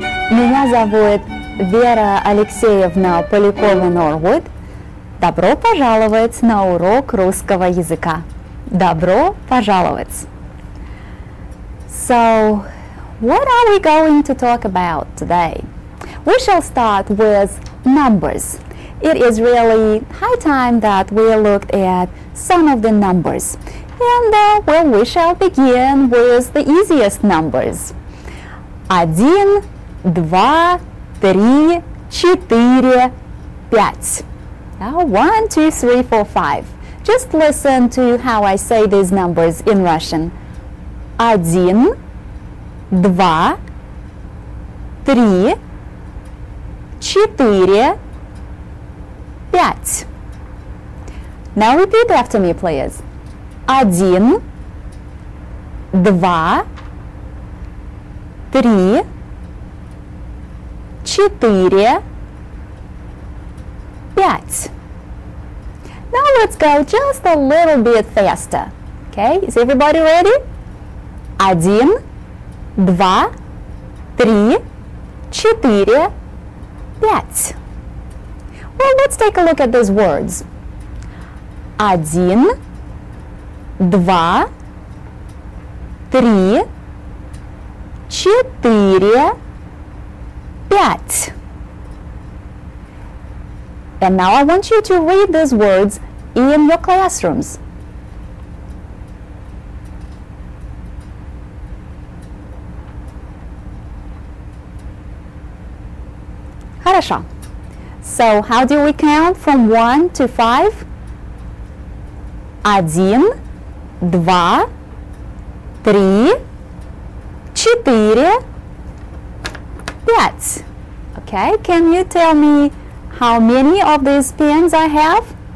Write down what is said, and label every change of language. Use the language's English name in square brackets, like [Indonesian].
[Russian] Меня зовут Вера Алексеевна Полякова-Норвуд. Добро пожаловать на урок русского языка. Добро пожаловать. [English] So, what are we going to talk about today? We shall start with numbers. It is really high time that we looked at some of the numbers. And, well, we shall begin with the easiest numbers. [Russian] Один, два, три, четыре, пять. [English] Now, one, two, three, four, five. Just listen to how I say these numbers in Russian. [Russian] Один, два, три, четыре, пять. [English] Now repeat after me, please. [Russian] Один, два, три, четыре, пять. [English] Now let's go just a little bit faster. Okay, is everybody ready? [Russian] Один, два, три, четыре, пять. [English] Well, let's take a look at these words. [Russian] Один, два, три, четыре, пять. [English] And now I want you to read these words in your classrooms. Хорошо. So, how do we count from 1 to 5? [Russian] Один, два, три, четыре, пять. [English] Okay, can you tell me how many of these pens I have?